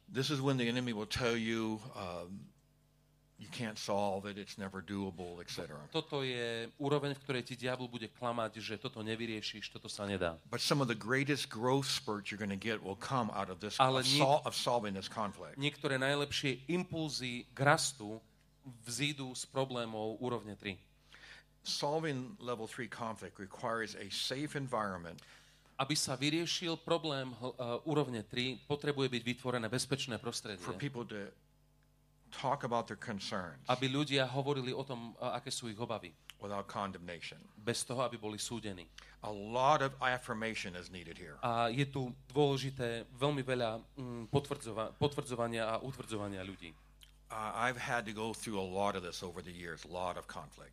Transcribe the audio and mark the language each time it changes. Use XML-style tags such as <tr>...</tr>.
<en>This is when the enemy will tell you you can't solve it, it's never doable, etc.</en> <sk>Toto je úroveň, v ktorej ti diabol bude klamať, že toto nevyriešiš, toto sa nedá.</sk> <en>But some of the greatest growth spurts you're going to get will come out of this of solving this conflict.</en> <sk>Niektoré najlepšie impulzy k rastu vzídu s problémov úrovne 3.</sk> <en>Solving level 3 conflict requires a safe environment.</en> <sk>Aby sa vyriešil problém úrovne 3, potrebuje byť vytvorené bezpečné prostredie.</sk> <en>For people to talk about their concerns.</en> <sk>Aby ľudia hovorili o tom, aké sú ich obavy.</sk> <en>Without condemnation.</en> <sk>Bez toho, aby boli súdení.</sk> <en>A lot of affirmation is needed here.</en> <sk>A je tu dôležité veľmi veľa potvrdzovania a utvrdzovania ľudí.</sk> <en>I've had to go through a lot of this over the years, a lot of conflict.</en>